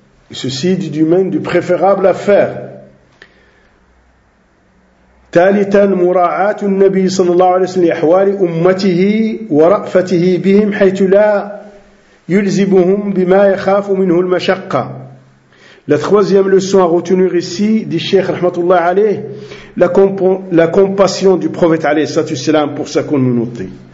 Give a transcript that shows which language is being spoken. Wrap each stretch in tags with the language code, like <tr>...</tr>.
<fr>Ceci est du même du préférable à faire.</fr> <ar>ثالثا مراعاة النبي صلى الله عليه وسلم لأحوال أمته ورأفته بهم حيث لا يلزمهم بما يخاف منه المشقة.</ar> <fr>La troisième leçon à retenir ici, dit Cheikh Rahmatullah alayh, la compassion du prophète alayhi salatu salam pour sa communauté.</fr>